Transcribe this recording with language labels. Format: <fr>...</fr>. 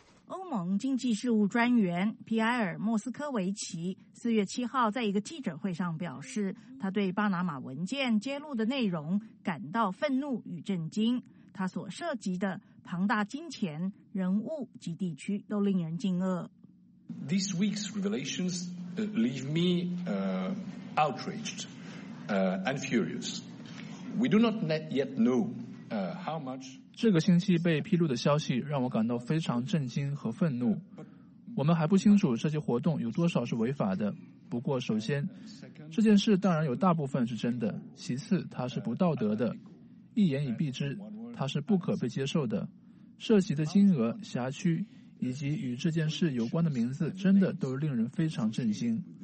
<zh>欧盟经济事务专员皮埃尔·莫斯科维奇4月7号在一个记者会上表示，他对巴拿马文件揭露的内容感到愤怒与震惊，他所涉及的庞大金钱、人物及地区都令人惊愕。</zh> <en>This week's revelations leave me outraged and furious. We do not yet know how much...</en> <zh>这个星期被披露的消息让我感到非常震惊和愤怒。我们还不清楚这些活动有多少是违法的，不过首先这件事当然有大部分是真的，其次它是不道德的，一言以蔽之它是不可被接受的，涉及的金额、辖区以及与这件事有关的名字真的都令人非常震惊。</zh>